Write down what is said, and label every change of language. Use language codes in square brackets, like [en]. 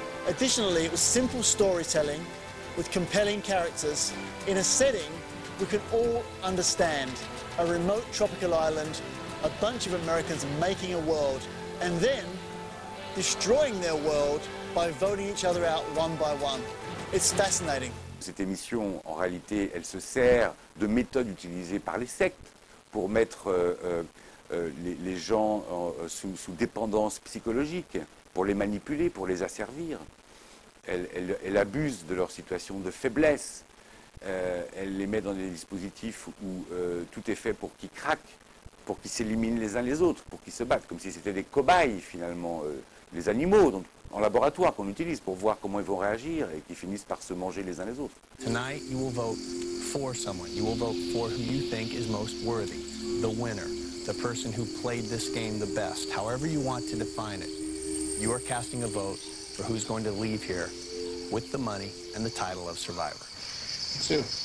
[en] Additionally, it was simple storytelling with compelling characters in a setting we could all understand. A remote tropical island, a bunch of Americans making a world and then destroying their world by voting each other out one by one. It's fascinating. [fr] Cette émission, en réalité, elle se sert de méthodes utilisées par les sectes pour mettre les gens sous dépendance psychologique, pour les manipuler, pour les asservir. Elle abuse de leur situation de faiblesse. Elle les met dans des dispositifs où tout est fait pour qu'ils craquent, pour qu'ils s'éliminent les uns les autres, pour qu'ils se battent, comme si c'était des cobayes, finalement, les animaux donc, en laboratoire qu'on utilise pour voir comment ils vont réagir et qu'ils finissent par se manger les uns les autres. [en] Tonight, you will vote for someone. You will vote for who you think is most worthy, the winner. The person who played this game the best, however you want to define it, you are casting a vote for who's going to leave here with the money and the title of survivor. Sue.